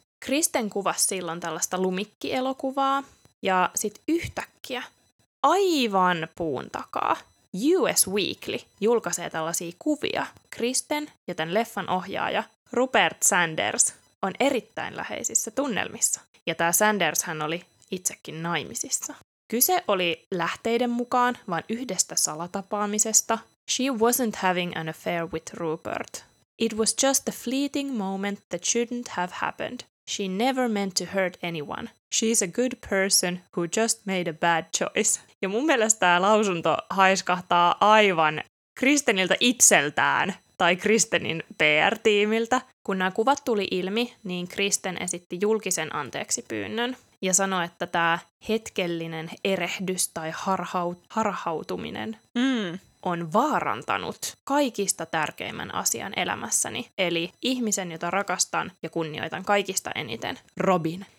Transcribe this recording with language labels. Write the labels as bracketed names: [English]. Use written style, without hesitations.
[Finnish] Kristen kuvasi silloin tällaista lumikkielokuvaa ja sitten yhtäkkiä aivan puun takaa US Weekly julkaisee tällaisia kuvia. Kristen ja tämän leffan ohjaaja Rupert Sanders on erittäin läheisissä tunnelmissa. Ja tämä Sanders hän oli itsekin naimisissa. Kyse oli lähteiden mukaan vain yhdestä salatapaamisesta. [English] She wasn't having an affair with Rupert. It was just a fleeting moment that shouldn't have happened. She never meant to hurt anyone. She's a good person who just made a bad choice. [Finnish] Ja mun mielestä tämä lausunto haiskahtaa aivan Kristenilta itseltään tai Kristenin PR-tiimiltä. Kun nämä kuvat tuli ilmi, niin Kristen esitti julkisen anteeksi pyynnön ja sanoi, että tämä hetkellinen erehdys tai harhautuminen on vaarantanut kaikista tärkeimmän asian elämässäni, eli ihmisen, jota rakastan ja kunnioitan kaikista eniten, Robin.